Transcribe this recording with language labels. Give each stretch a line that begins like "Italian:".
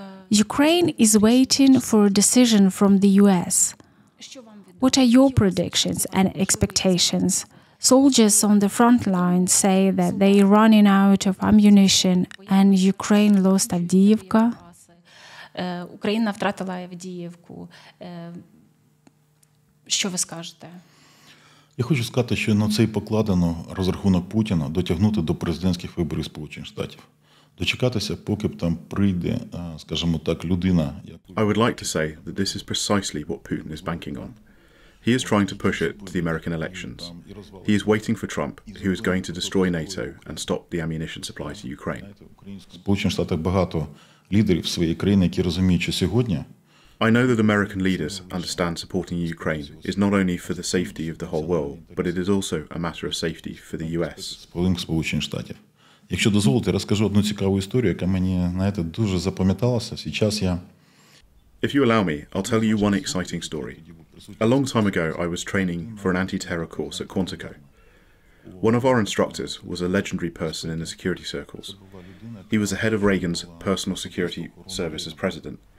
English: Ukraine is waiting for a decision from the US. What are your predictions and expectations? Soldiers on the front line say that they are running out of ammunition and Ukraine lost Avdiivka.
Ukrainian: Україна втратила Авдіївку. Що ви скажете? Я хочу сказати, що на це й покладено розрахунок Путіна дотягнути до президентських виборів Сполучених Штатів. Дочекатися, поки б там прийде, скажімо так, людина.
English: I would like to say that this is precisely what Putin is banking on. He is trying to push it to the American elections. He is waiting for Trump, who is going to destroy NATO and stop the ammunition supply to Ukraine.
Ukrainian: Сполучених Штатах багато лідерів своєї країни, які розуміють, що сьогодні...
English: I know that American leaders understand supporting Ukraine is not only for the safety of the whole world, but it is also a matter of safety for the US.
Ukrainian: Сполучених Штатів. Якщо дозволите, розкажу одну цікаву історію, яка мені, знаєте, дуже запам'яталася.
Russian: Сейчас я...
English: If you allow me, I'll tell you one exciting story. A long time ago, I was training for an anti-terror course at Quantico. One of our instructors was a legendary person in the security circles. He was the head of Reagan's personal security service as president.